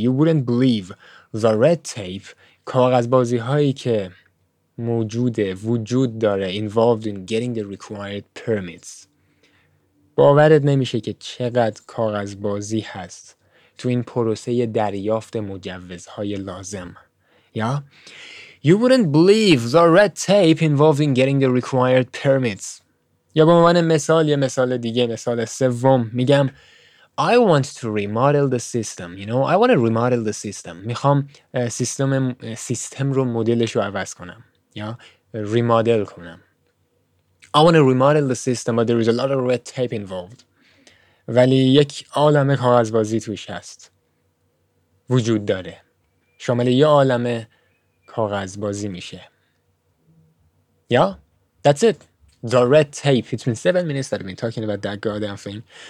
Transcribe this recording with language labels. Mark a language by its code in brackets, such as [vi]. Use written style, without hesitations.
[en] You wouldn't believe the red tape، [fa] کاغذبازی هایی که موجوده، وجود داره، [en] involved in getting the required permits، [fa] باورت نمیشه که چقدر کاغذبازی هست تو این پروسه دریافت مجوزهای لازم. [en] یا You wouldn't believe the red tape involved in getting the required permits. [fa] یا به عنوان مثال یه مثال دیگه، مثال سوم میگم [en] I want to remodel the system. You know, I want to remodel the system. [fa] میخوام سیستم رو، مدلش رو عوض کنم یا ریمادل کنم. [en] I want to remodel the system but there is a lot of red tape involved. [fa] ولی یک عالم کاغذبازی توش هست، وجود داره، شامل یه عالم کاغذبازی میشه. [en] Yeah, that's it. The red tape. It's been 7 minutes that I've been talking about that goddamn thing.